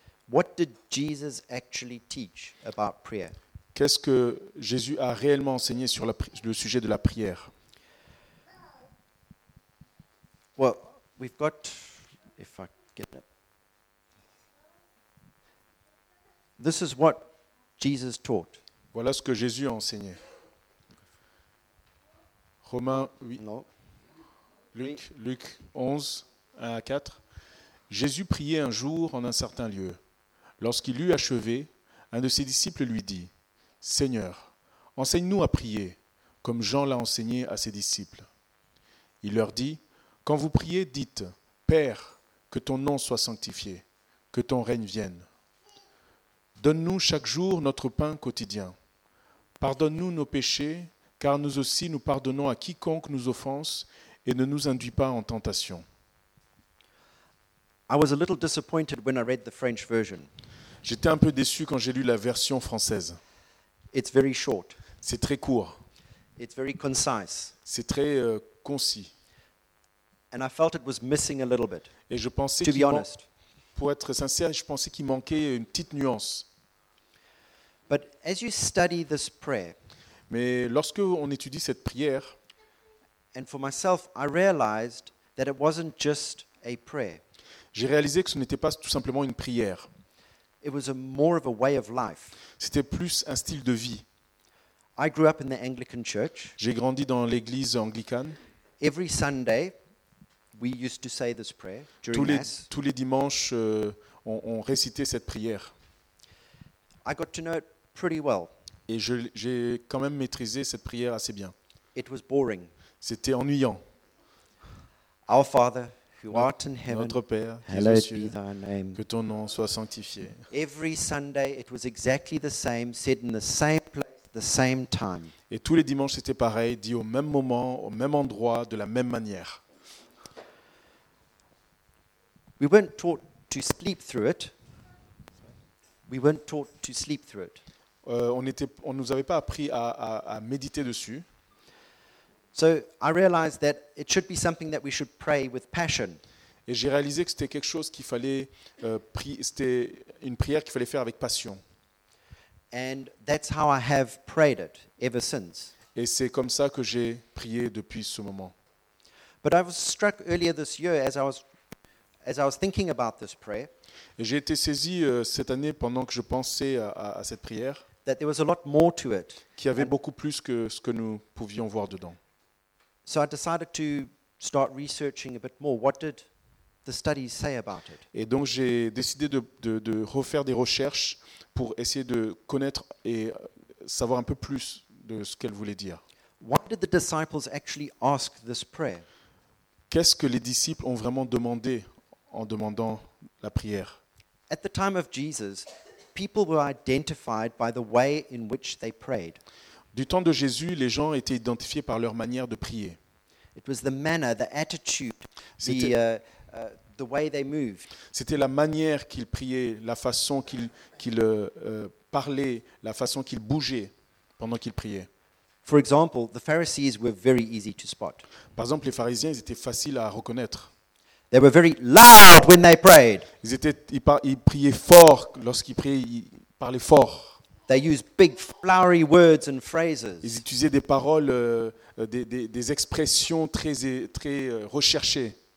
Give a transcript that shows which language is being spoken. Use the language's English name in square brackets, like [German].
[English] What did Jesus actually teach about prayer? [French] Qu'est-ce que Jésus a réellement enseigné sur le sujet de la prière? [English] Well, we've got if I This is what Jesus taught. [French] Voilà ce que Jésus a enseigné. Romains 8. Non. Luc 11, 1 à 4. Jésus priait un jour en un certain lieu. Lorsqu'il eut achevé, un de ses disciples lui dit : Seigneur, enseigne-nous à prier, comme Jean l'a enseigné à ses disciples. Il leur dit : Quand vous priez, dites : Père, que ton nom soit sanctifié, que ton règne vienne. Donne-nous chaque jour notre pain quotidien. Pardonne-nous nos péchés, car nous aussi nous pardonnons à quiconque nous offense et ne nous induis pas en tentation. [English] I was a little disappointed when I read the French version. [French] J'étais un peu déçu quand j'ai lu la version française. [English] It's very short. [French] C'est très court. [English] It's very concise. [French] C'est très concis. [English] And I felt it was missing a little bit. [French] Et je pensais [English] to be honest. [French] Pour être sincère, je pensais qu'il manquait une petite nuance. [English] But as you study this prayer, [French] mais lorsque on étudie cette prière, [English] and for myself, I realized that it wasn't just a prayer. [French] J'ai réalisé que ce n'était pas tout simplement une prière. [English] It was more of a way of life. [French] C'était plus un style de vie. [English] I grew up in the Anglican church. [French] J'ai grandi dans l'église anglicane. [English] Every Sunday, we used to say this prayer during [French] tous les dimanches on récitait cette prière. [English] I got to know it pretty well. [French] Et j'ai quand même maîtrisé cette prière assez bien. [English] It was boring. [French] C'était ennuyant. [English] Our Father who art in heaven. [French] Notre Père, [English] hallowed [French] qui es aux cieux, [English] be thy name. [French] Que ton nom soit sanctifié. [English] Every Sunday it was exactly the same, said in the same place, the same time. [French] Et tous les dimanches c'était pareil, dit au même moment, au même endroit, de la même manière. [English] We weren't taught to sleep through it. We weren't taught to sleep through it. [French] On nous avait pas appris à méditer dessus. [English] So I realized that it should be something that we should pray with passion. [French] Et j'ai réalisé que c'était quelque chose qu'il fallait c'était une prière qu'il fallait faire avec passion. [English] And that's how I have prayed it ever since. [French] Et c'est comme ça que j'ai prié depuis ce moment. [English] But I was struck earlier this year as I was thinking about this prayer, [French] et j'ai été saisi cette année pendant que je pensais à cette prière, [English] that there was a lot more to it, [French] qu'il y avait beaucoup plus que ce que nous pouvions voir dedans. [English] So I decided to start researching a bit more. What did the studies say about it? [French] Et donc j'ai décidé de refaire des recherches pour essayer de connaître et savoir un peu plus de ce qu'elle voulait dire. [English] Why did the disciples actually ask this prayer? [French] Qu'est-ce que les disciples ont vraiment demandé en demandant la prière? [English] At the time of Jesus, people were identified by the way in which they prayed. [French] Du temps de Jésus, les gens étaient identifiés par leur manière de prier. [English] It was the manner, the attitude, the way they moved. [French] C'était la manière qu'ils priaient, la façon qu'ils parlaient, la façon qu'ils bougeaient pendant qu'ils priaient. [English] For example, the Pharisees were very easy to spot. [French] Par exemple, les pharisiens étaient faciles à reconnaître. [English] They were very loud when they prayed. [French] Ils priaient fort lorsqu'ils priaient, ils parlaient fort. [English] They used big flowery words and phrases. [French] Ils utilisaient des paroles des expressions très recherchées.